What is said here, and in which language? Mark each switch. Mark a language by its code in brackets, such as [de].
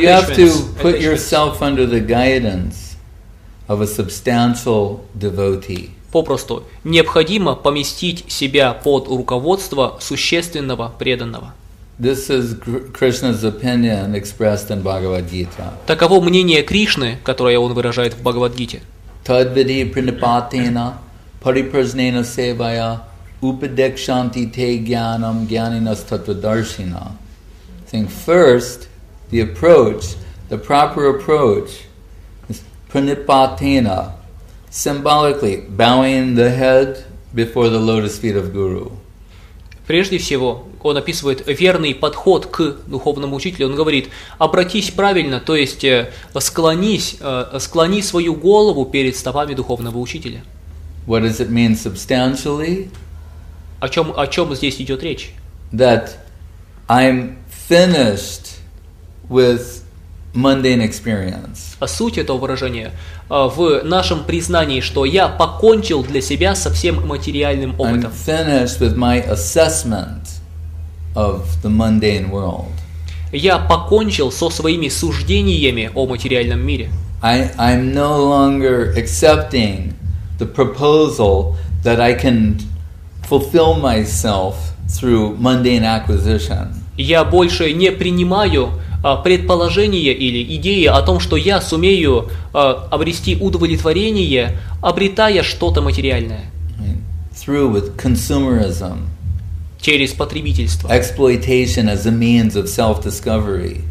[en] You have to put yourself under the guidance of a substantial devotee. [ru] Попросту необходимо поместить себя под руководство существенного преданного. [en] This is Krishna's opinion expressed in Bhagavad Gita. [ru] Таково мнение Кришны, которое он выражает в Бхагавад-гите. [sa] Tadvidhi pranipatena pariprajnena sevaya upadekshanti te jnanam jnaninas tattvadarshina. [en] I think first, the approach, the proper approach is pranipatena, symbolically bowing the head before the lotus feet of Guru. [ru] Прежде всего, он описывает верный подход к духовному учителю. Он говорит, обратись правильно, то есть склони свою голову перед стопами духовного учителя. [en] What does it mean substantially? [ru] О чем здесь идет речь? [en] That I'm finished with mundane experience. [ru] А суть этого выражения в нашем признании, что я покончил для себя со всем материальным опытом. [en] I'm finished with my assessment of the mundane world. [ru] Я покончил со своими суждениями о материальном мире. [en] I'm no longer accepting the proposal that I can fulfill myself through mundane acquisition. [ru] Я больше не принимаю предположение или идея о том, что я сумею обрести удовлетворение, обретая что-то материальное. [en] Through with consumerism. [ru] Через потребительство. [en] Exploitation as a means of self-discovery.